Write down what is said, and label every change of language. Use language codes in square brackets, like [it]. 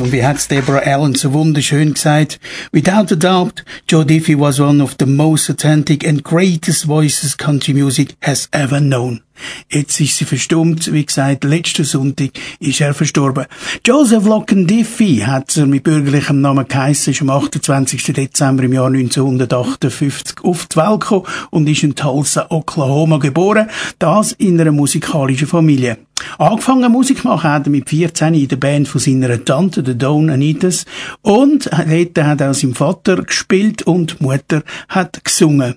[de] Und wie hat es Deborah Allen so wunderschön gesagt? [en] Without a doubt, Joe Diffie was one of the most authentic and greatest voices country music has ever known. [de] Jetzt ist sie verstummt. Wie gesagt, letzten Sonntag ist er verstorben. Joseph Locken Diffie hat er mit bürgerlichem Namen geheissen, ist am 28. Dezember im Jahr 1958 auf die Welt gekommen und ist in Tulsa, Oklahoma geboren. Das in einer musikalischen Familie. Angefangen Musik machen hat er mit 14 in der Band von seiner Tante, der Don Anitas, und hat auch seinem Vater gespielt und die Mutter hat gesungen.